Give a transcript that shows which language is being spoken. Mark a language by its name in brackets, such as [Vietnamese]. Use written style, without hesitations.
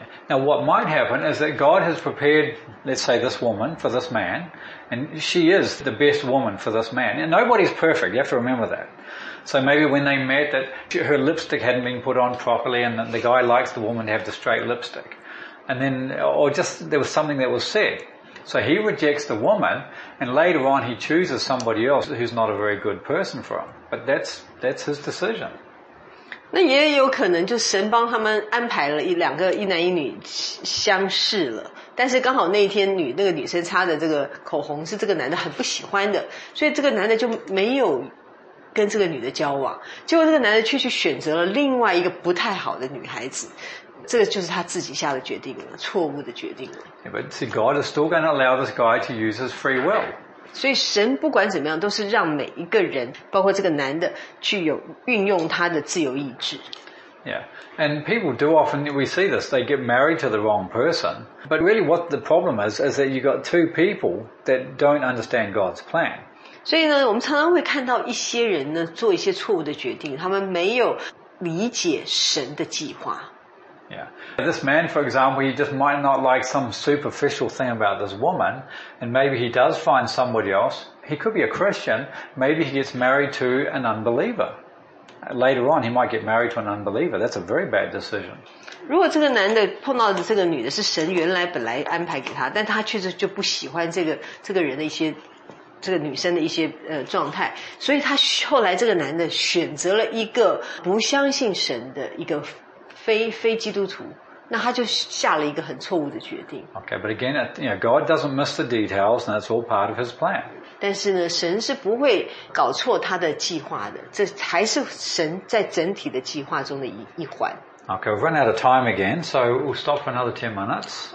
[English] Now, what might happen is that God has prepared, let's say, this woman for this man, and she is the best woman for this man. And nobody's perfect, you have to remember that. So maybe when they met, that her lipstick hadn't been put on properly, and the guy likes the woman to have the straight lipstick. And then, or just there was something that was said. So he rejects the woman, and later on he chooses somebody else who's not a very good person for him. But that's his decision. [Chinese] 那也有可能就神帮他们安排了一两个一男一女相识了，但是刚好那一天那个女生擦的这个口红是这个男的很不喜欢的，所以这个男的就没有跟这个女的交往，结果这个男的却选择了另外一个不太好的女孩子，这个就是他自己下的决定了，错误的决定了。 [English] Yeah, but see, God is still going to allow this guy to use his free will. [Chinese] 所以神不管怎么样都是让每一个人包括这个男的具有运用他的自由意志。 [English] Yeah, and people do often, we see this, they get married to the wrong person. But really what the problem is that you've got two people that don't understand God's plan. [Chinese] 所以呢，我们常常会看到一些人呢，做一些错误的决定，他们没有理解神的计划。 [English] Yeah, this man, for example, he just might not like some superficial thing about this woman, and maybe he does find somebody else. He could be a Christian, maybe he gets married to an unbeliever. Later on, he might get married to an unbeliever. That's a very bad decision. [Chinese] 如果这个男的碰到的这个女的是神原来本来安排给他，但他确实就不喜欢这个人的一些这个女生的一些状态，所以他后来这个男的选择了一个不相信神的一个非基督徒，那他就下了一个很错误的决定。 [English] Okay, but again, God doesn't miss the details, and that's all part of His plan. [Chinese] 但是呢，神是不会搞错他的计划的，这还是神在整体的计划中的一环。 [English] Okay, we've run out of time again, so we'll stop for another 10 minutes.